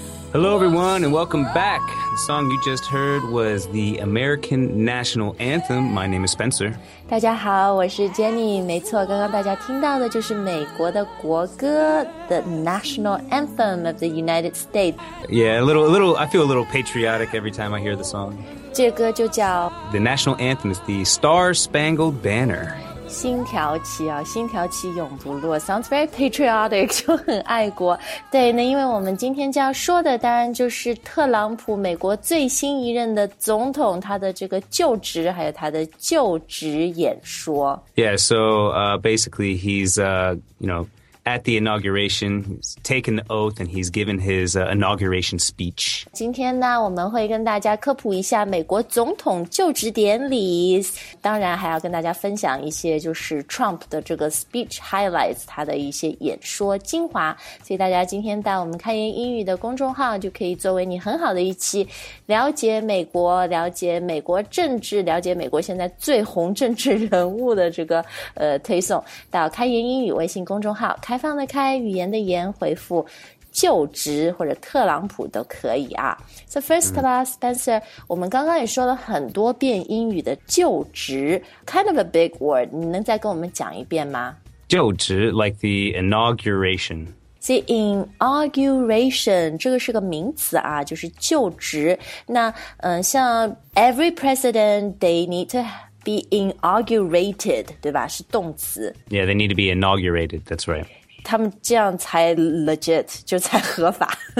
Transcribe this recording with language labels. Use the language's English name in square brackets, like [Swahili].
[English] Hello, everyone, and welcome back. The song you just heard was the American National Anthem. My name is Spencer. [Chinese] 大家好，我是 Jenny。没错，刚刚大家听到的就是美国的国歌 ， [English] The National Anthem of the United States. Yeah, a little. I feel a little patriotic every time I hear the song. [Chinese] 这歌就叫 [English] The National Anthem is the Star-Spangled Banner. [Chinese] 星条旗啊，星条旗永不落。 [English] Sounds very patriotic, [Chinese] 就很爱国。对，那因为我们今天就要说的当然就是特朗普，美国最新一任的总统，他的这个就职还有他的就职演说。 [English] Yeah, so basically he's, at the inauguration, he's taken the oath and he's given his inauguration speech. [Chinese] 今天呢，我们会跟大家科普一下美国总统就职典礼，当然还要跟大家分享一些就是 Trump 的这个 [English] speech highlights, [Chinese] 他的一些演说精华。所以大家今天到我们开言英语的公众号，就可以作为你很好的一期了解美国，了解美国政治，了解美国现在最红政治人物的这个推送到开言英语微信公众号。开放的开，语言的言，回复就职或者特朗普都可以啊。 [English] So first class, [Chinese] Spencer, 我们刚刚也说了很多遍英语的就职 , [English] kind of a big word, [Chinese] 你能再跟我们讲一遍吗？就职 [English] ,like the inauguration. See, [Chinese] inauguration, 这个是个名词啊，就是就职。那像 [English] every president, they need to... be inaugurated, [Chinese] 对吧？是动词。 [English] Yeah, they need to be inaugurated, that's right. [Chinese] 他们这样才 [English] legit, [Chinese] 就才合法。